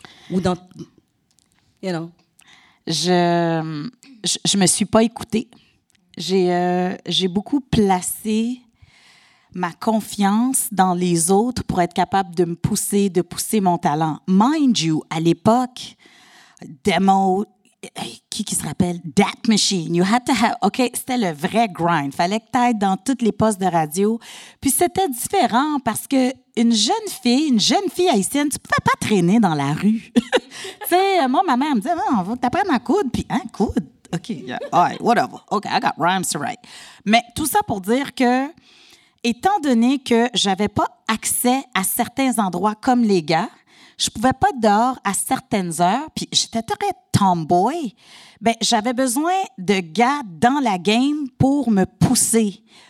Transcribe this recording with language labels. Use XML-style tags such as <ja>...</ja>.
<fr>Ou dans...</fr> <en>You know?</en> <fr>Je me suis pas écoutée. J'ai beaucoup placé ma confiance dans les autres pour être capable de me pousser, de pousser mon talent.</fr> <en>Mind you,</en> <fr>à l'époque, demo, qui se rappelle?</fr> <en>That Machine, you had to have, OK,</en> <fr>c'était le vrai grind. Fallait que t'ailles dans toutes les postes de radio. Puis c'était différent parce que une jeune fille haïtienne, tu pouvais pas traîner dans la rue. Tu sais, moi, ma mère me disait, on va t'apprendre à coudre. Puis, hein, coudre?</fr> <en>OK, yeah, all right, whatever. OK, I got rhymes to write.</en> <fr>Mais tout ça pour dire que étant donné que j'avais pas accès à certains endroits comme les gars, je pouvais pas être dehors à certaines heures, puis j'étais très tomboy, ben j'avais besoin de gars dans la game pour me pousser.</fr>